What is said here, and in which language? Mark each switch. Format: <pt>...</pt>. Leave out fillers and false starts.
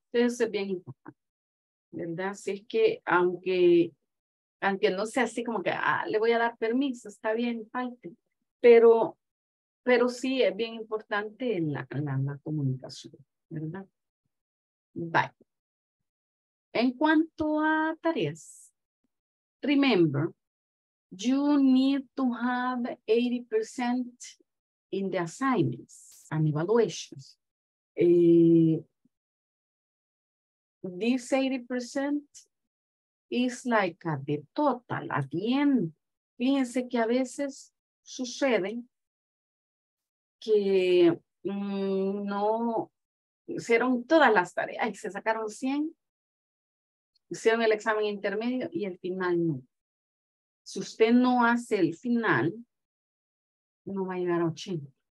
<es>Entonces es bien importante, ¿verdad? Así es que aunque no sea así como que le voy a dar permiso, está bien, falte, pero sí es bien importante la comunicación, ¿verdad?</es> <en>Bye.</en> <es>En cuanto a tareas,</es> <en>remember, you need to have 80% in the assignments and evaluations. This 80% is like at the total, at the end.</en> <es>Fíjense que a veces sucede que no hicieron todas las tareas y se sacaron 100, hicieron el examen intermedio y el final no. Si usted no hace el final, no va a llegar a 80.</es>